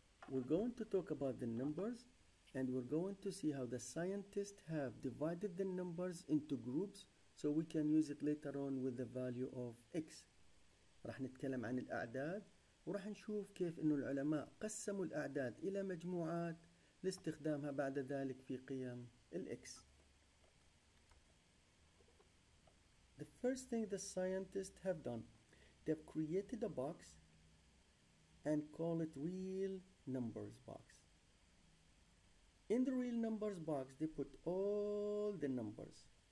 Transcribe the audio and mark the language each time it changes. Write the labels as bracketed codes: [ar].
[en] We're going to talk about the numbers, and we're going to see how the scientists have divided the numbers into groups so we can use it later on with the value of x. [ar] راح نتكلم عن الأعداد وراح نشوف كيف إنه العلماء قسموا الأعداد إلى مجموعات لاستخدامها بعد ذلك في قيم الx. [en] The first thing the scientists have done, they've created a box and call it real numbers box. In the real numbers box, they put all the numbers.